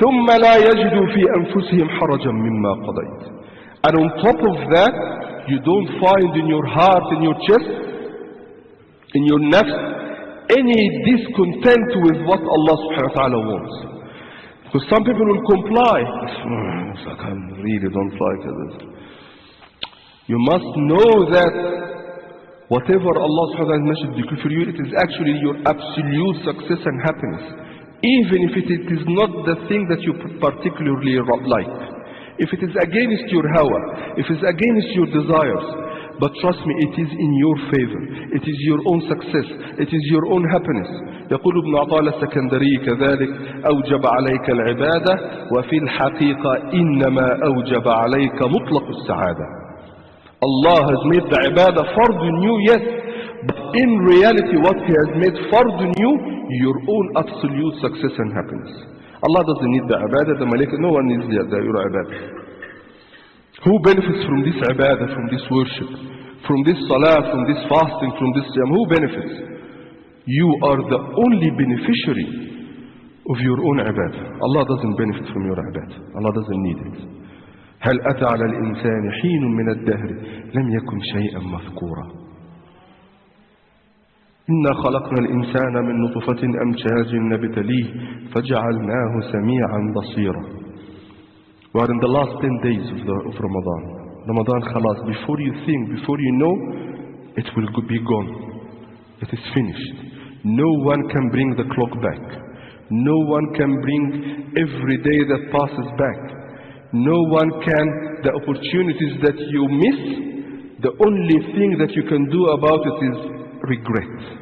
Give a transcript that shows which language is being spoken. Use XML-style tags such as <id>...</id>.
<ar>ثم لا يجدوا في أنفسهم حرجا مما قضيت.</ar> <en>And on top of that, you don't find in your heart, in your chest, in your nafs, any discontent with what Allah subhanahu wa ta'ala wants. Because some people will comply. I really don't like this. You must know that whatever Allah subhanahu wa ta'ala has decreed for you, it is actually your absolute success and happiness. Even if it is not the thing that you particularly like. If it is against your hawa, if it is against your desires, but trust me, it is in your favor. It is your own success. It is your own happiness.</en> <ar>يقول ابن عطاء السكندري كذلك, أوجب عليك العبادة وفي الحقيقة إنما أوجب عليك مطلق السعادة.</ar> <en>Allah has made the ibadah fard on you, yes, but in reality what He has made fard on you, your own absolute success and happiness. Allah doesn't need the ibadah, the malaika, no one needs your ibadah. Who benefits from this ibadah, from this worship, from this salah, from this fasting, from this siyam? Who benefits? You are the only beneficiary of your own ibadah. Allah doesn't benefit from your ibadah. Allah doesn't need it.</en> <ar>هل أتى على الإنسان حين من الدهر لم يكن شيئا مذكورا إنا خلقنا الإنسان من نطفة أمشاج نبتليه فجعلناه سميعا بصيرا و</ar> <en>You are in the last 10 days of Ramadan. Ramadan khalas, before you think, before you know, it will be gone. It is finished. No one can bring the clock back. No one can bring every day that passes back. No one can, the opportunities that you miss, the only thing that you can do about it is regret.</en>